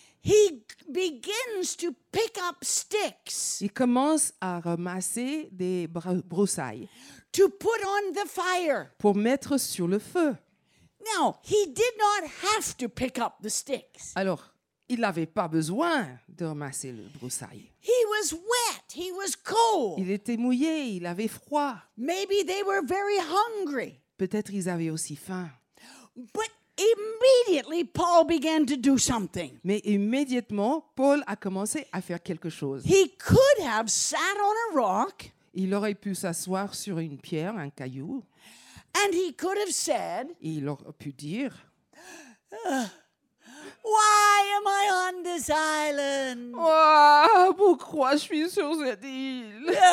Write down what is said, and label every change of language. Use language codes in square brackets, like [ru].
[en] He begins to pick up sticks. [fr] Il commence à ramasser des broussailles. [en] To put on the fire. [fr] Pour mettre sur le feu. [en] Now, he did not have to pick up the sticks. [fr] Alors, il n'avait pas besoin de ramasser les broussailles. [en] He was wet. He was cold. [fr] Il était mouillé, il avait froid. [en] Maybe they were very hungry. [fr] Peut-être ils avaient aussi faim. [en] But immediately Paul began to do something. [fr] Mais immédiatement, Paul a commencé à faire quelque chose. [en] He could have sat on a rock. [fr] Il aurait pu s'asseoir sur une pierre, un caillou. [en] And he could have said. [fr] Il aurait pu dire. [en] Why am I on this island? [fr] Oh, pourquoi je suis sur cette île?